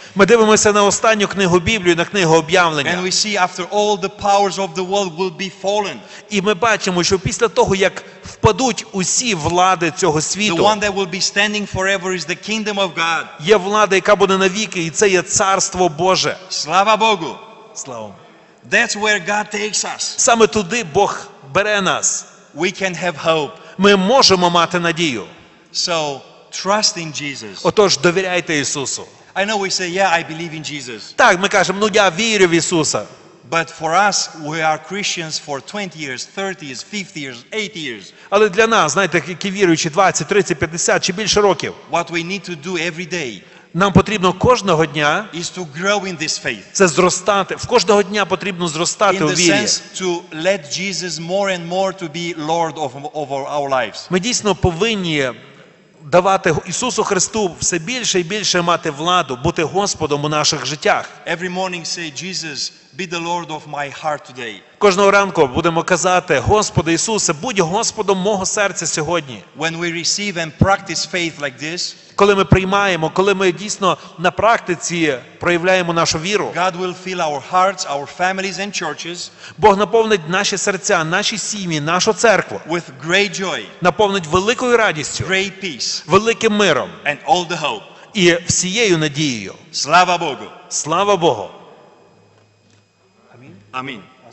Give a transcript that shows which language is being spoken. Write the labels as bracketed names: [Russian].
[Ukrainian] Ми дивимося на останню книгу Біблії, на книгу Об'явлення. [English] And we see after all the powers of the world will be fallen. [Ukrainian] І ми бачимо, що після того, як впадуть усі влади цього світу, [English] the one that will be standing forever is the kingdom of God. [Ukrainian] Є влада, яка буде навіки, і це є царство Боже. Слава Богу. Слава. [English] That's where God takes us. [Ukrainian] Саме туди Бог бере нас. [English] We can have hope. [Ukrainian] Ми можемо мати надію. [English] So trust in Jesus. [Ukrainian] Отож, довіряйте Ісусу. [English] I know we say, yeah, I believe in Jesus. [Ukrainian] Так, ми кажемо, ну я вірю в Ісуса. [English] But for us, we are Christians for 20 years, 30 years, 50 years, 80 years. [Ukrainian] Але для нас, знаєте, які віруючі 20, 30, 50 чи більше років. [English] What we need to do every day. [Ukrainian] Нам потрібно кожного дня [English] is to grow in this faith. [Ukrainian] Це зростати. В кожного дня потрібно зростати у вірі. [English] In the sense to let Jesus more and more to be Lord over our lives. [Ukrainian] Ми дійсно повинні давати Ісусу Христу все більше і більше мати владу, бути Господом у наших життях. [English] Every morning say, Jesus, be the Lord of my heart today. [Ukrainian] Кожного ранку будемо казати, Господи Ісусе, будь Господом мого серця сьогодні. [English] When we receive and practice faith like this, [Ukrainian] коли ми приймаємо, коли ми дійсно на практиці проявляємо нашу віру, [English] God will fill our hearts, our families and churches, [Ukrainian] Бог наповнить наші серця, наші сім'ї, нашу церкву [English] with great joy, [Ukrainian] наповнить великою радістю, [English] great peace, [Ukrainian] великим миром [English] and all the hope, [Ukrainian] і всією надією. Слава Богу! Слава Богу! Амінь.